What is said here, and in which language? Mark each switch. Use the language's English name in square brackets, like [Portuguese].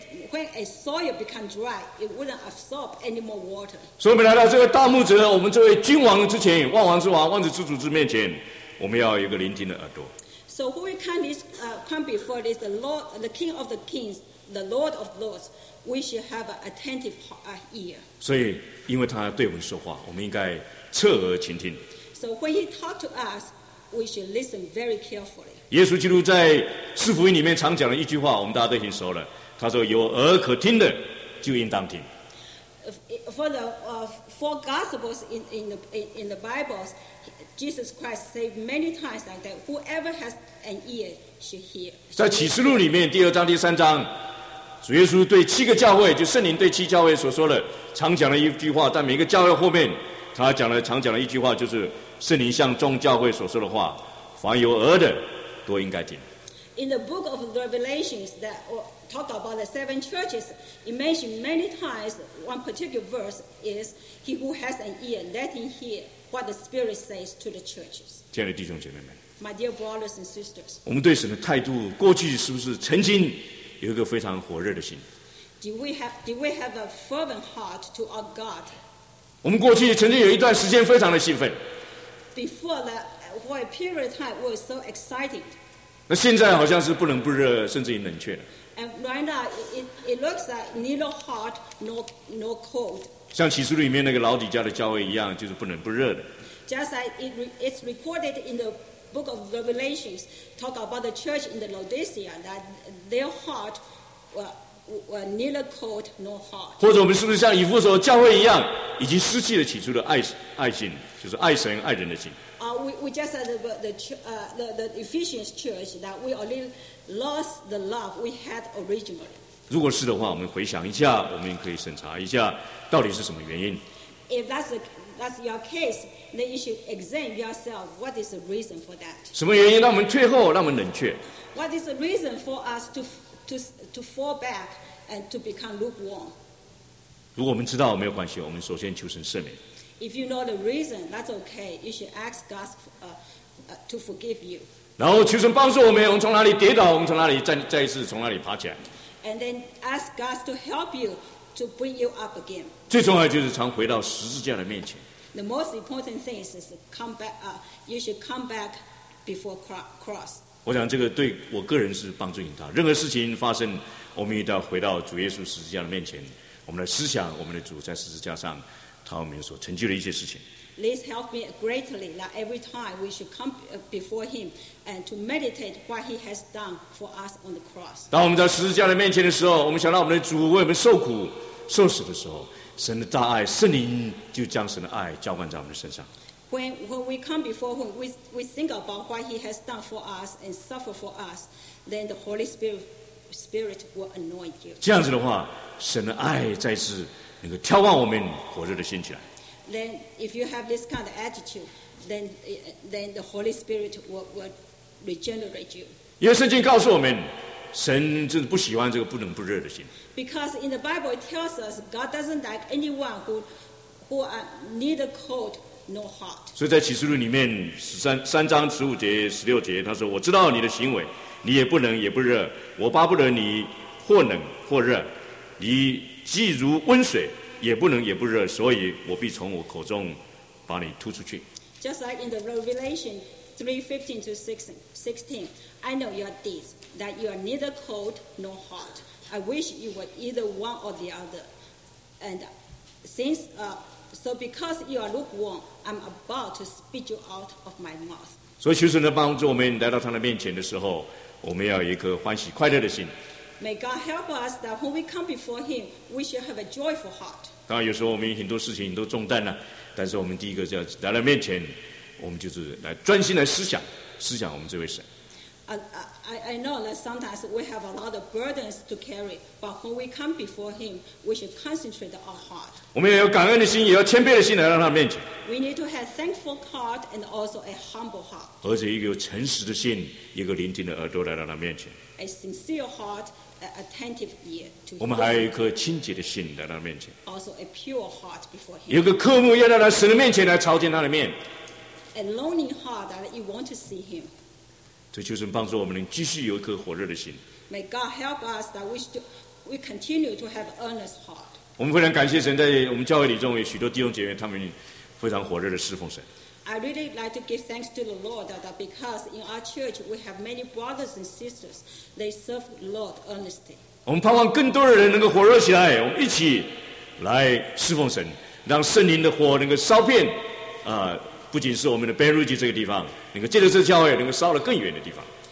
[English] When a soil becomes dry, it wouldn't absorb any more water. [Chinese] 所以我们来到这个大牧者，我们这位君王之前，万王之王，万子之主之面前，我们要有一个聆听的耳朵。 [English] So who we can this come before is the Lord, the King of the Kings, the Lord of Lords. We should have an attentive ear. [Chinese] 所以，因为他对我们说话，我们应该侧耳倾听。 [English] So when he talks to us, we should listen very carefully. [Chinese] 耶稣基督在四福音里面常讲的一句话，我们大家都很熟了。他说：“有耳可听的，就应当听。” [English] For the four Gospels in the Bibles. Jesus Christ said many times like that whoever has an ear should hear. [Chinese] 在启示录里面第二章第三章，主耶稣对七个教会，就圣灵对七教会所说的常讲的一句话，在每个教会后面，他讲了常讲的一句话，就是圣灵向众教会所说的话，凡有耳的都应该听。 [English] In the book of Revelations that talk about the seven churches, it mentioned many times one particular verse is he who has an ear, let him hear. What the Spirit says to the churches. [Chinese] 亲爱的弟兄姐妹们 [English] ，My dear brothers and sisters， [Chinese] 我们对神的态度，过去是不是曾经有一个非常火热的心 [English] ？Do we have a fervent heart to our God？ [Chinese] 我们过去曾经有一段时间非常的兴奋。 [English] Before that, for a period of time, we were so excited. [Chinese] 那现在好像是不冷不热，甚至于冷却了。 [English] And right now, it looks like neither hot nor cold. [Chinese] 像启示录里面那个老底家的教会一样，就是不冷不热的。 [English] Just like it's recorded in the book of Revelations, talk about the church in the Laodicea that their heart were neither cold nor hot. [Chinese] 或者我们是不是像以弗所教会一样，已经失去了起初的爱心，就是爱神爱人的心 [English] ？We just said the Ephesians church that we already lost the love we had originally. [Chinese] 如果是的话，我们回想一下，我们可以审查一下，到底是什么原因。 [English] If that's your case, then you should examine yourself. What is the reason for that? [Chinese] 什么原因让我们退后，让我们冷却 [English] ？What is the reason for us to fall back and to become lukewarm? [Chinese] 如果我们知道没有关系，我们首先求神赦免。 [English] If you know the reason, that's okay. You should ask God to forgive you. [Chinese] 然后求神帮助我们，我们从哪里跌倒，我们从哪里再一次从哪里爬起来。 [English] And then ask God to help you to bring you up again. [Chinese] 最重要就是常回到十字架的面前。 [English] The most important thing is come back. You should come back before cross. [Chinese] 我想这个对我个人是帮助很大。任何事情发生，我们一定要回到主耶稣十字架的面前。我们来思想我们的主在十字架上，他为我们所成就的一些事情。 [English] This helped me greatly that every time we should come before him and to meditate what he has done for us on the cross. [Chinese] 当我们在十字架的面前的时候，我们想到我们的主为我们受苦受死的时候，神的大爱，圣灵就将神的爱浇灌在我们的身上。 [English] When we come before him, we think about what he has done for us and suffer for us, then the Holy Spirit will anoint you. [Chinese] 这样子的话，神的爱再次能够浇灌我们火热的心起来。 [English] Then, if you have this kind of attitude, then the Holy Spirit will regenerate you. [Chinese] 因为圣经告诉我们，神就是不喜欢这个不冷不热的心。 [English] Because in the Bible it tells us God doesn't like anyone who are neither cold nor hot. [Chinese] 所以在启示录里面3:15-16，他说：“我知道你的行为，你也不冷也不热，我巴不得你或冷或热，你既如温水。” 也不能也不热，所以我必从我口中把你吐出去。 [English] Just like in the Revelation 3:15-16, I know your deeds, that you are neither cold nor hot. I wish you were either one or the other. And since because you are lukewarm, I'm about to spit you out of my mouth. [Chinese] 所以求神的帮助，我们来到他的面前的时候，我们要有一颗欢喜快乐的心。 [English] May God help us that when we come before Him, we shall have a joyful heart. [Chinese] 当然，有时候我们很多事情都重担了，但是我们第一个就要来到面前，我们就是来专心来思想我们这位神。 [English] I know that sometimes we have a lot of burdens to carry, but when we come before Him, we should concentrate our heart. [Chinese] 我们也有感恩的心，也要谦卑的心来到他面前。 [English] We need to have thankful heart and also a humble heart. [Chinese] 而且一个诚实的心，一个聆听的耳朵来到他面前。 [English] A sincere heart, an attentive ear to him. [Chinese] 我们还有一颗清洁的心在他面前。 [English] Also a pure heart before him. [Chinese] 有个渴慕要来神的面前来朝见他的面。 [English] A longing heart that you want to see him. [Chinese] 所以求神帮助我们能继续有一颗火热的心。 [English] May God help us that we continue to have earnest heart. [Chinese] 我们非常感谢神，在我们教会里中有许多弟兄姐妹，他们非常火热的侍奉神。 [English] I really like to give thanks to the Lord that because in our church we have many brothers and sisters, they serve the Lord earnestly. [Chinese] 我们盼望更多的人能够火热起来，我们一起来侍奉神，让圣灵的火能够烧遍不仅是我们的 Bay Ridge 这个地方，能够借着这教会能够烧到更远的地方。